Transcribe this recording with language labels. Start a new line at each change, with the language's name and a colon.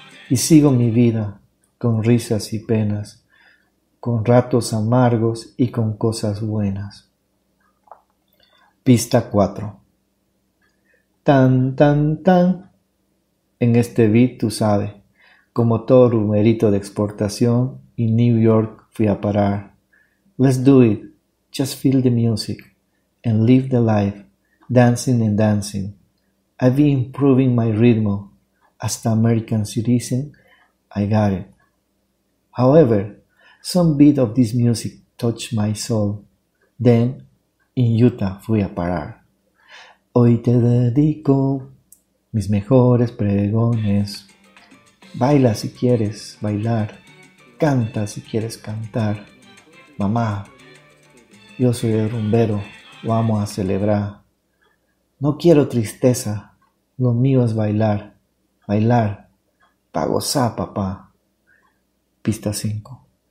Spanish: Y sigo mi vida con risas y penas, con ratos amargos y con cosas buenas. Pista 4. Tan, tan, tan. En este beat tú sabes, como todo rumerito de exportación, en New York fui a parar.
English: Let's do it. Just feel the music and live the life, dancing and dancing. I've been improving my rhythm, hasta American citizen, I got it. However, some bit of this music touched my soul.
Spanish: Then, in Utah, fui a parar. Hoy te dedico mis mejores pregones. Baila si quieres bailar, canta si quieres cantar, mamá. Yo soy el rumbero, vamos a celebrar. No quiero tristeza, lo mío es bailar, bailar, pa' gozar, papá. Pista 5.